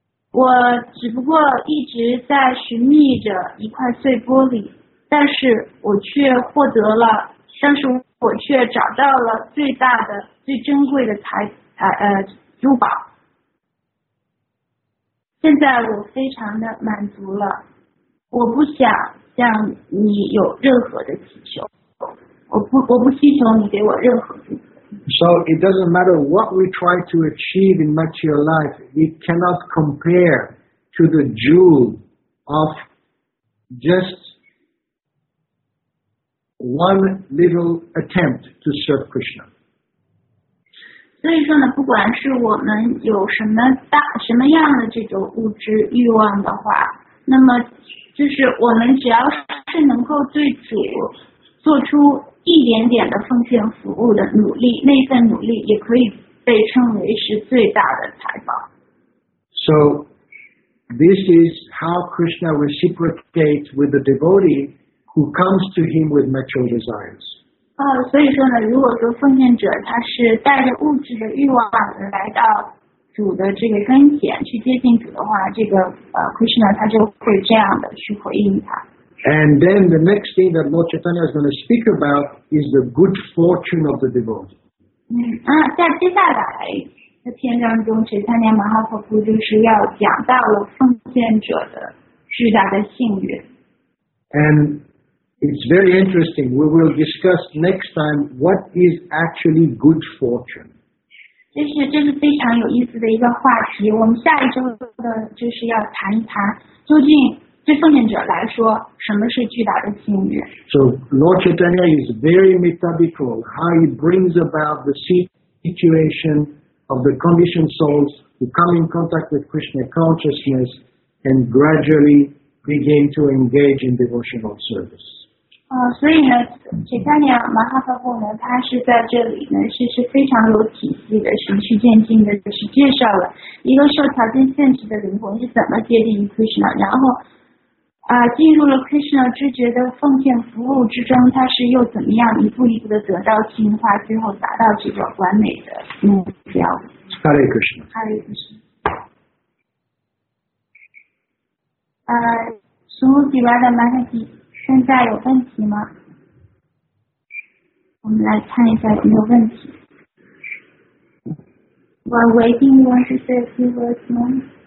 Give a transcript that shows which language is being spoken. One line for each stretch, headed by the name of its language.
Chinese: 我只不过一直在寻觅着一块碎玻璃，但是我却找到了最大的、最珍贵的珠宝。现在我非常的满足了，我不想。让你有任何的祈求，我不祈求你给我任何祝福。
English: So it doesn't matter what we try to achieve in material life, it cannot compare to the jewel of just one little attempt to serve Krishna.
Chinese: 所以说呢，不管是我们有什么大什么样的这种物质欲望的话，那么就是我们只要是能够对主做出一点点的奉献服务的努力，那份努力也可以被称为是最大的财宝。
English: So, this is how Krishna reciprocates with the devotee who comes to him with material desires.
Chinese: 所以说呢，如果说奉献者他是带着物质的欲望来到主的这个跟前去接近主的话，这个Krishna 他就会这样的去回应他。
English: And then the next thing that Lord Chaitanya is going to speak about is the good fortune of the devotee.
Chinese: 在接下来的篇章中，慈善家马哈佛布就是要讲到了奉献者的巨大的幸运。
English: And it's very interesting. We will discuss next time what is actually good fortune.
Chinese: 这是非常有意思的一个话题。我们下一周的就是要谈一谈究竟。对奉献者来说，什么是巨大的幸运？
English: So Lord Chaitanya is very methodical how he brings about the situation of the conditioned souls who come in contact with Krishna consciousness and gradually begin to engage in devotional service.
Chinese: 所以呢，Chaitanya Mahaprabhu 呢，他是在这里呢，是非常有体系的，循序渐进的，就是介绍了一个受条件限制的灵魂是怎么接近 Krishna， 然后。进入了 Krishna 之觉的奉献服务之中，他是又怎么样一步一步的得到净化，最后达到这个完美的目标？
Sanskrit: Hare Krishna. Hare Krishna.
Chinese: Sumuti Radha Mahati, 现在有问题吗？我们来看一下有没有问题。
English: While waiting, you want to say a few words more?